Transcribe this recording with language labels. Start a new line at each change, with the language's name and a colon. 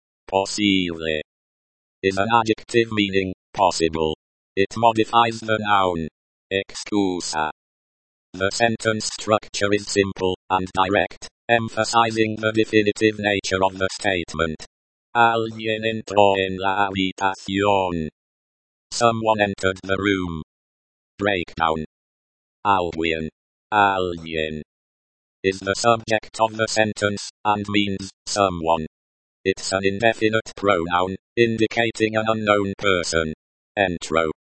English: Posible is an adjective meaning possible. It modifies the noun excusa. The sentence structure is simple and direct, emphasizing the definitive nature of the statement.
Spanish: Alguien entró en la habitación.
English: Someone entered the room. Breakdown. Alguien. Alguien is the subject of the sentence and means someone. It's an indefinite pronoun, indicating an unknown person. Entró.